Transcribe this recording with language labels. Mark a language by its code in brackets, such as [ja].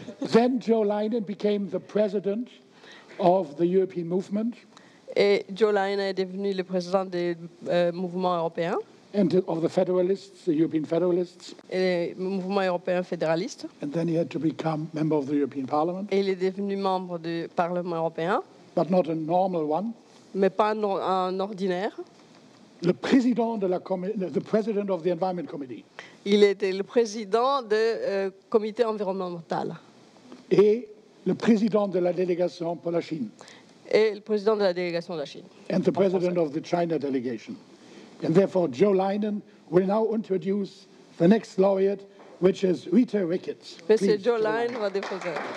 [en] Then Joe Leiner became the president of the European movement. [fr] Et Joe Leiner est devenu le président des mouvements européens. [en] And of the federalists, the European federalists. [fr] Et mouvement européen fédéraliste. [en] And then he had to become member of the European Parliament. [fr] Et il est devenu membre du Parlement européen. [en] But not a normal one. [fr] Mais pas un ordinaire. Le président de la [en] the president of the Environment Committee. [fr] Il était le président du comité environnemental. Et le président de la délégation pour la Chine. Et le président de la délégation de la Chine. [en] And the president of the China delegation. And therefore, Joe Leinen will now introduce the next laureate, which is Rita Ricketts. [fr] Please, Joe Leinen va déposer.